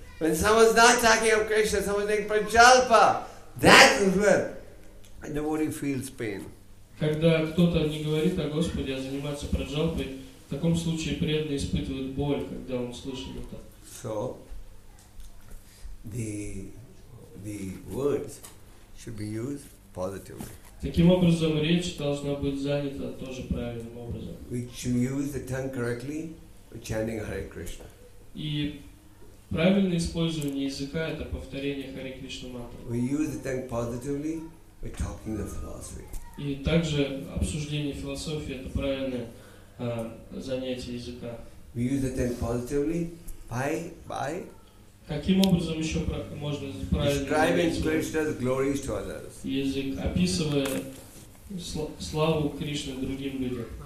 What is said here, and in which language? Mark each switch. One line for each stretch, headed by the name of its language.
English: When someone's not talking of Krishna, someone's saying Pranchalpa, that is where a devotee feels pain.
Russian: Когда кто-то не говорит о Господе, а занимается Пранчалпой, в таком случае преданный испытывает боль, когда он слышит это.
English: So, the words should be used positively.
Russian: Таким образом, речь должна быть занята тоже правильным образом.
English: We should use the tongue correctly for chanting Hare Krishna.
Russian: И правильное использование языка – это повторение Харе Кришна мантры.
English: We use the tongue positively by talking the philosophy.
Russian: И также обсуждение философии – это правильное занятие языка.
English: We use the tongue positively by
Russian: каким образом еще можно
English: describing Krishna's glories to others.
Russian: Язык, описывая славу Кришны другим людям.